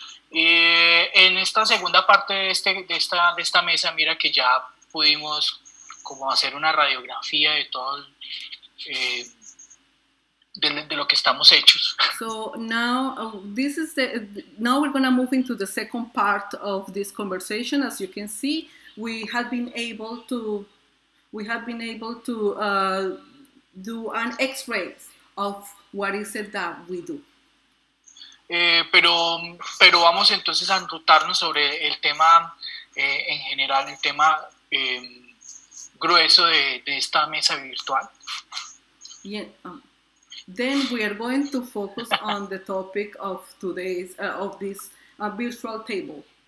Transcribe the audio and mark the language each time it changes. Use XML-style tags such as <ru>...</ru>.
<es>En esta segunda parte de esta mesa, mira que ya pudimos como hacer una radiografía de todo el, de lo que estamos hechos.</es> <en>So now this is the, now we're going to move into the second part of this conversation. As you can see, we have been able to do an x-ray of what is it that we do.</en> <es>Pero vamos entonces a enrutarnos sobre el tema en general, el tema grueso de esta mesa virtual.</es> <en>Then we are going to focus on the topic of today's of this virtual table.</en>